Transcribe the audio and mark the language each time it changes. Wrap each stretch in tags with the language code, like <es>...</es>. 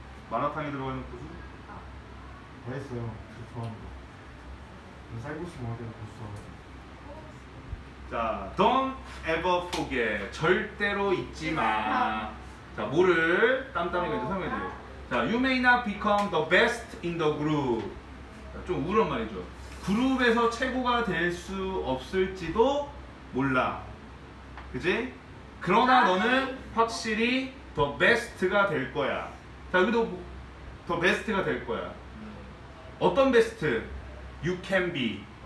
<ko>마라탕에 들어가 있는 고수? 다 했어요. 그 좋아하는 거. 쌀국수 먹어야 돼요. 고수하고. 자,</ko> <en>don't ever forget.</en> <ko>절대로 잊지 마. 자, 뭐를 땀땀하게 설명해 드려. 자,</ko> <en>you may not become the best in the group.</en> <ko>자, 좀 우울한 말이죠. 그룹에서 최고가 될 수 없을지도 몰라. 그지? 그러나 너는 확실히 the best가 될 거야. 자, 여기도 the best가 될 거야. 어떤 베스트?</ko> <en>You can be.</en>